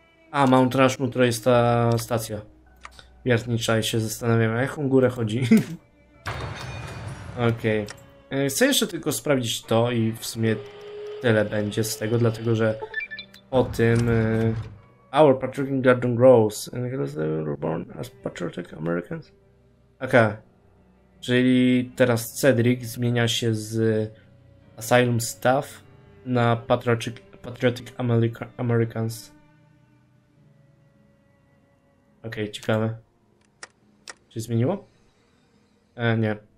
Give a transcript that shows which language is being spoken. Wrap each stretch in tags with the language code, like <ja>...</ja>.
<pl>A, Mount Rushmore jest ta stacja wiertnicza i się zastanawiam, jaką górę chodzi. Okej. Chcę jeszcze tylko sprawdzić to i w sumie tyle będzie z tego, dlatego że o tym...</pl> <en>Our Patriotic Garden grows and heroes were born as patriotic Americans. Okay.</en> <pl>Czyli teraz Cedric zmienia się z Asylum Staff na Patriotic Americans. Okej, okay, ciekawe. Czy zmieniło? Nie.</pl>